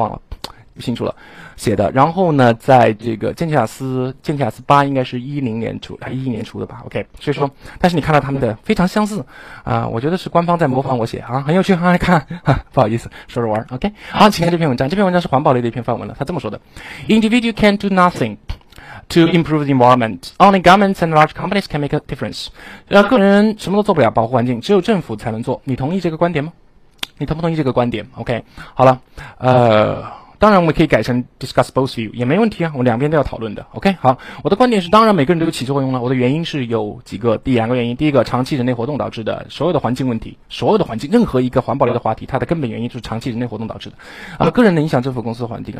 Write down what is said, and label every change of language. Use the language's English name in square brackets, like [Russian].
[Chinese] 忘了，不清楚了。写的。然后呢，在这个剑桥斯八应该是11年出的吧 ？OK， 所以说，但是你看到他们的非常相似啊，我觉得是官方在模仿我写啊，很有趣，来看。不好意思，说着玩。 OK， 好，请看这篇文章。这篇文章是环保类的一篇范文了。他这么说的 ： [English] Individual can do nothing。 To improve the environment, only governments and large companies can make a difference. [Chinese] 个人什么都做不了，保护环境，只有政府才能做。你同意这个观点吗？你同不同意这个观点 ？OK， 好了，当然我们可以改成 [English] discuss both view [Chinese] 也没问题啊，我两边都要讨论的。 OK， 好，我的观点是，当然每个人都有起作用了。我的原因是有几个，第两个原因，第一个，长期人类活动导致的所有的环境问题，所有的环境，任何一个环保类的话题，它的根本原因就是长期人类活动导致的，个人的影响政府公司的环境。